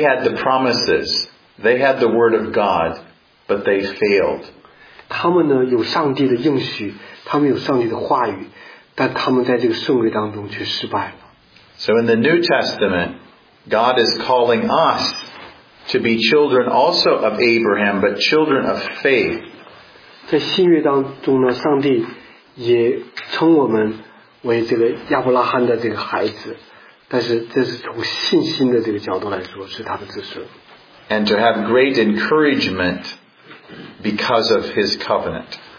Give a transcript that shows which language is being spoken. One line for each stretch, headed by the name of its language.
English: had the promises, they had the word of God, but they failed.
Chinese: 他们呢有上帝的应许，他们有上帝的话语。
English: So in the New Testament, God is calling us to be children also of Abraham, but children of faith.
Chinese: 在新约当中呢，上帝也称我们为这个亚伯拉罕的这个孩子，但是这是从信心的这个角度来说，是他的子孙。
English: And to have great encouragement because of His covenant.